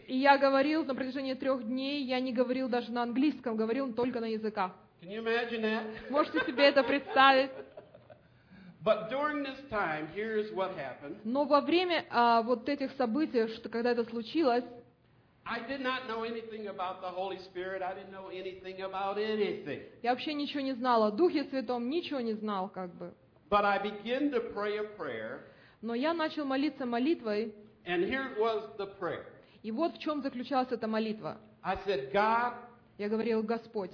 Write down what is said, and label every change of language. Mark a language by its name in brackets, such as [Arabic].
[Russian] И я говорил на протяжении трех дней, я не говорил даже на английском, говорил только на языках. [English] Can you imagine that? [Russian] Можете себе это представить? [English] But during this time, here's what happened. [Russian] Но во время вот этих событий, что когда это случилось, [English] I did not know anything about the Holy Spirit. I didn't know anything about anything. [Russian] Я вообще ничего не знал о Духе Святом, ничего не знал как бы. [English] But I began to pray a prayer. [Russian] Но я начал молиться молитвой. [English] And here was the prayer. [Russian] И вот в чем заключалась эта молитва. [English] I said, God. [Russian] Я говорил, Господь.